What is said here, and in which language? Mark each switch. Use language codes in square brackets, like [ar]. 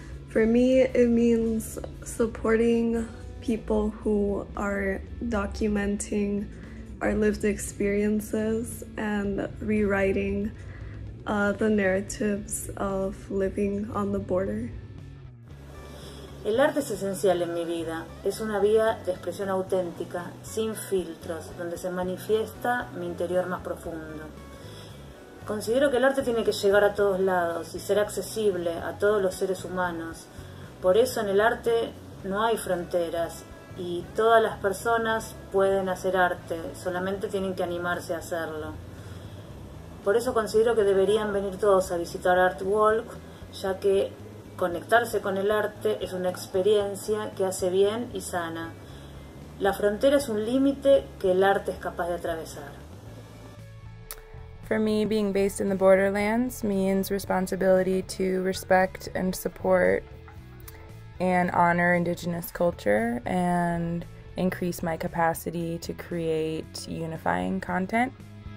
[en] For me, it means supporting people who are documenting our lived experiences and rewriting the narratives of living on the border. [es] El arte es esencial en mi vida. Es una vía de expresión auténtica, sin filtros, donde se manifiesta mi interior más profundo. Considero que el arte tiene que llegar a todos lados y ser accesible a todos los seres humanos. Por eso en el arte no hay fronteras, y todas las personas pueden hacer arte, solamente tienen que animarse a hacerlo. Por eso considero que deberían venir todos a visitar Art Walk, ya que conectarse con el arte es una experiencia que hace bien y sana. La frontera es un límite que el arte es capaz de atravesar. [en] For me, being based in the borderlands means responsibility to respect and support and honor indigenous culture and increase my capacity to create unifying content.